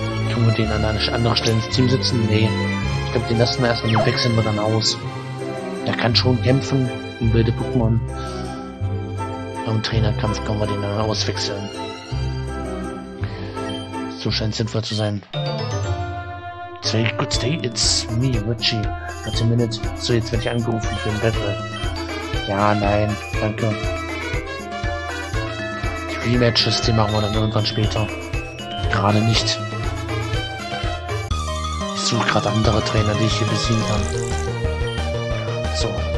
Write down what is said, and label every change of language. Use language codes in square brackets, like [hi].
[de] Können wir den an einer anderen Stelle ins Team setzen? Nee. Ich glaube, den lassen wir erstmal, den wechseln wir dann aus. Der kann schon kämpfen, im wilde Pokémon. Beim Trainerkampf können wir den dann auswechseln. So scheint es sinnvoll zu sein. [en] It's very good day, it's me, Richie. [de] Warte [en] a minute. [de] So, jetzt werde ich angerufen für den Battle. Ja, nein, danke. Die Rematches, die machen wir dann irgendwann später. Gerade nicht. Ich suche gerade andere Trainer, die ich hier besiegen kann. So.